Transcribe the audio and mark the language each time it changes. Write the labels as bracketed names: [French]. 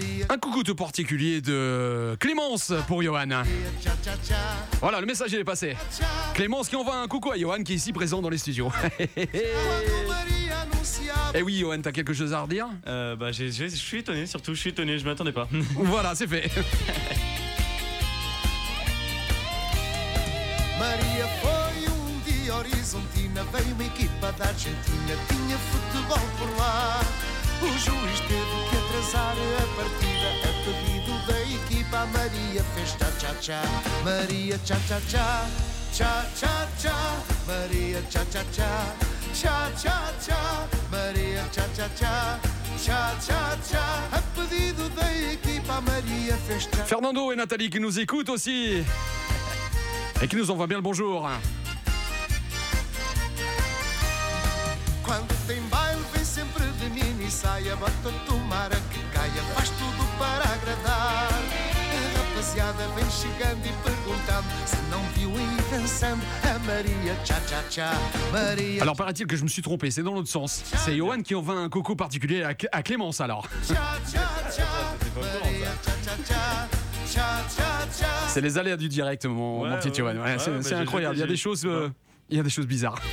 [French] Un coucou tout particulier de Clémence pour Johan. Voilà, le message est passé. Clémence qui envoie un coucou à Johan qui est ici présent dans les studios. Eh oui, Johan, t'as quelque chose à redire ? Je suis étonné, surtout, je suis étonné, je m'attendais pas. Voilà, c'est fait. [Portuguese] Maria foi dia horizontina, veio uma equipa da Argentina, tinha futebol por lá. O juiz teve que atrasar a partida. A pedido da equipa, a Maria fez tchá-tchá-tchá. Maria tchá-tchá-tchá, tchá-tchá-tchá. Maria tchá-tchá-tchá, tchá-tchá-tchá. Maria tchá-tchá-tchá, tchá-tchá-tchá. A pedido da equipa, a Maria fez tchá-tchá. [French] Fernando e Nathalie que nos écoutent aussi e que nos envoient bien le bonjour. [Portuguese] Quando tem baile, vem sempre de mini saia. Bota tomara que caia, faz tudo para agradar. A rapaziada vem chegando e perguntando se não viu e dançando a Maria tcha-tcha-tcha. Maria. [French] Alors, paraît-il que je me suis trompé, c'est dans l'autre sens. C'est Johan qui envoie un coucou particulier à Clémence alors. [Portuguese] Tcha-tcha-tcha, Maria tcha-tcha-tcha. Tcha-tcha-tcha. [French] C'est les aléas du direct, mon petit Johan. Ouais, c'est incroyable, il y a des choses bizarres.